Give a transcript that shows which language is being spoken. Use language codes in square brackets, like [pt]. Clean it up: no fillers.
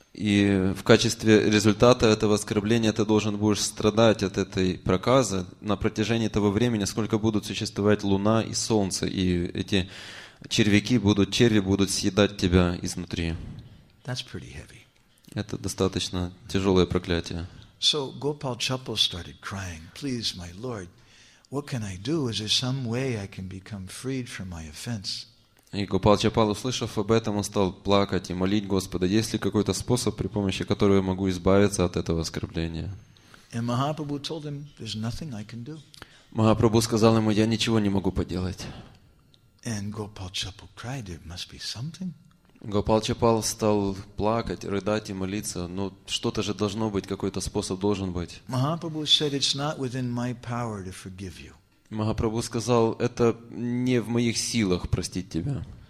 [ru] И в качестве результата этого оскорбления ты должен будешь страдать от этой проказы на протяжении того времени, сколько будут существовать луна и солнце, и эти черви будут съедать тебя изнутри. [en] That's pretty heavy. [ru] Это достаточно тяжелое проклятие. [en] So Gopal Chappal started crying, "Please, my Lord, what can I do? Is there some way I can become freed from my offense?" [ru] И Гопал Чапал, услышав об этом, он стал плакать и молить Господа: "Есть ли какой-то способ, при помощи которого я могу избавиться от этого оскорбления?" [en] And Mahaprabhu told him, "There's nothing I can do." [ru] Махапрабху сказал ему: "Я ничего не могу поделать." [en] And Gopal Chappal cried, "There must be something." [ru] Гопал Чапал стал плакать, рыдать и молиться: "Ну, что-то же должно быть, какой-то способ должен быть." [en] Mahaprabhu said, "It's not within my power to forgive you." [ru] Махапрабху сказал: "Это не в моих силах простить тебя.